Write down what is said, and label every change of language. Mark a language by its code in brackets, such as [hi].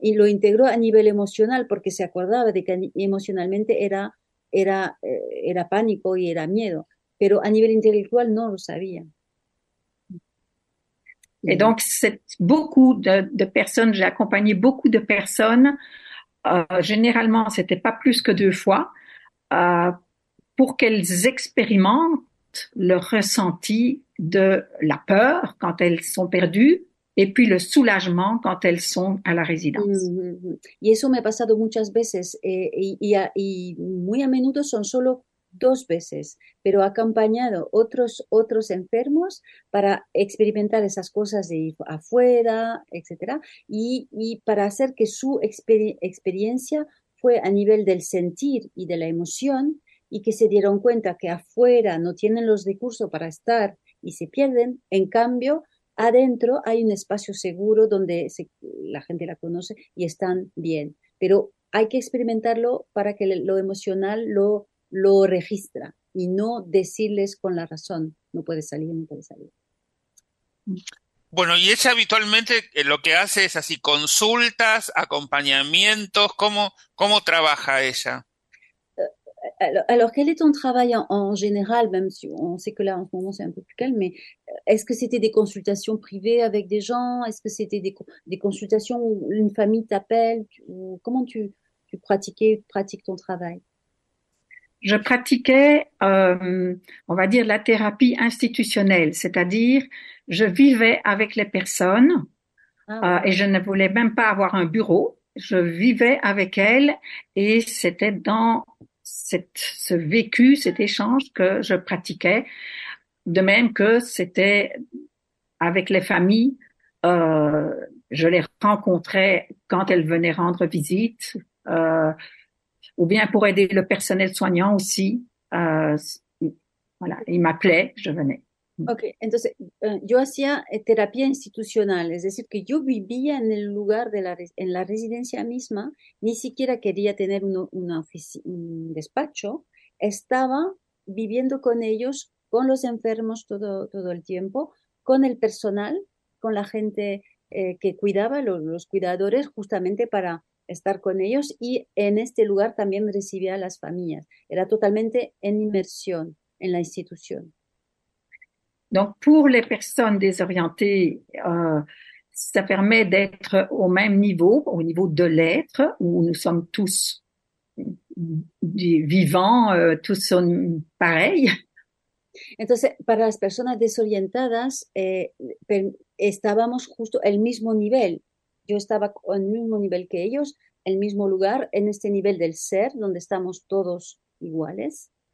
[es] Y lo integró a nivel emocional porque se acordaba de que emocionalmente era pánico y era miedo, pero a nivel intelectual no lo sabía. [fr] Et donc, c'est beaucoup de personnes, j'ai accompagné beaucoup de personnes, généralement, c'était pas plus que deux fois, pour qu'elles expérimentent le ressenti de la peur quand elles sont perdues et puis le soulagement quand elles sont à la résidence. [es] Y eso me ha pasado muchas veces y muy a menudo son solo dos veces, pero ha acompañado otros enfermos para experimentar esas cosas de ir afuera, etcétera, y para hacer que su experiencia fue a nivel del sentir y de la emoción y que se dieron cuenta que afuera no tienen los recursos para estar y se pierden, en cambio adentro hay un espacio seguro donde la gente la conoce y están bien, pero hay que experimentarlo para que lo emocional lo registra y no decirles con la razón, no puede salir. Bueno, y ella habitualmente lo que hace es así, consultas, acompañamientos, ¿cómo trabaja ella? [fr] Alors, quel est ton travail en général, même si on sait que là, en ce moment, c'est un peu plus calme, mais est-ce que c'était des consultations privées avec des gens? Est-ce que c'était des consultations où une famille t'appelle? Comment tu pratiques ton travail? Je pratiquais, on va dire, la thérapie institutionnelle, c'est-à-dire, je vivais avec les personnes et je ne voulais même pas avoir un bureau. Je vivais avec elles et c'était dans ce vécu, cet échange que je pratiquais, de même que c'était avec les familles, je les rencontrais quand elles venaient rendre visite, ou bien pour aider le personnel soignant aussi, voilà, ils m'appelaient, je venais. [es] Ok, entonces yo hacía terapia institucional, es decir, que yo vivía en el lugar en la residencia misma, ni siquiera quería tener un despacho, estaba viviendo con ellos, con los enfermos todo el tiempo, con el personal, con la gente que cuidaba, los cuidadores, justamente para estar con ellos, y en este lugar también recibía a las familias. Era totalmente en inmersión en la institución. [fr] Donc, pour les personnes désorientées, ça permet d'être au même niveau, au niveau de l'être, où nous sommes tous vivants, tous sont pareils. [es] Entonces, para las personas desorientadas, estábamos justo el mismo nivel. Yo estaba en el mismo nivel que ellos, el mismo lugar, en este nivel del ser, donde estamos todos iguales.